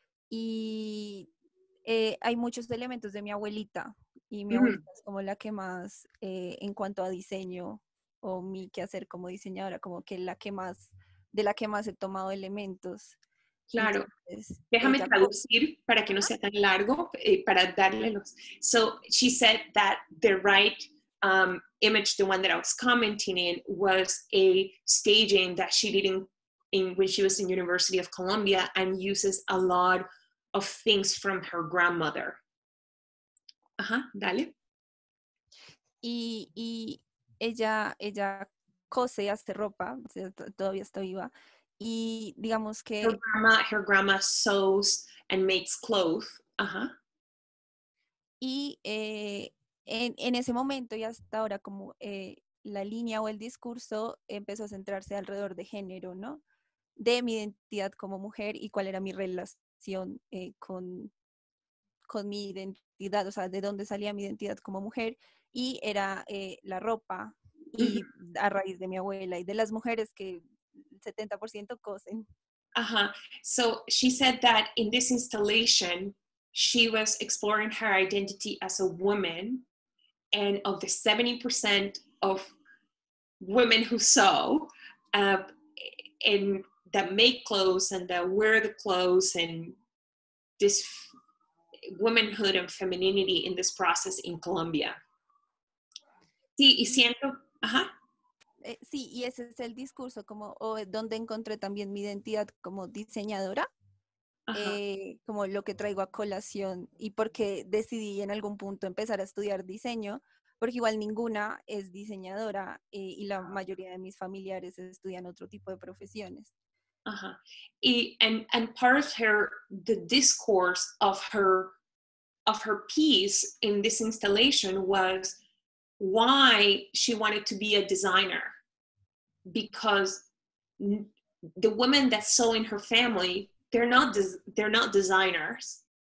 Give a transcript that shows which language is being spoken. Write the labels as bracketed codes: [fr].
[es] Y hay muchos elementos de mi abuelita. Y mi abuelita es como la que más, en cuanto a diseño, o mi quehacer como diseñadora, como que la que más, de la que más he tomado elementos. Claro. Entonces, déjame traducir para que no sea tan largo, para darle los... [en] So, she said that the right image, the one that I was commenting in, was a staging that she did when she was in University of Columbia and uses a lot of things from her grandmother. [es] Ajá, dale. Y ella cose y hace ropa, todavía está viva. Y digamos que [en] her grandma sews and makes clothes. Ajá. [es] Y en ese momento y hasta ahora como la línea o el discurso empezó a centrarse alrededor de género, ¿no? De mi identidad como mujer y cuál era mi relación con mi identidad, o sea, de dónde salía mi identidad como mujer, y era la ropa, y a raíz de mi abuela y de las mujeres que 70% cosen. Ajá. [en] So she said that in this installation, she was exploring her identity as a woman, and of the 70% of women who sew, and that make clothes and that wear the clothes and this womanhood and femininity in this process in Colombia. [es] Sí, y siento, ajá. Sí, y ese es el discurso, como donde encontré también mi identidad como diseñadora, como lo que traigo a colación y porque decidí en algún punto empezar a estudiar diseño, porque igual ninguna es diseñadora y la mayoría de mis familiares estudian otro tipo de profesiones. Uh-huh. [en] And part of her, the discourse of her piece in this installation was why she wanted to be a designer. Because the women that sew in her family, they're not designers.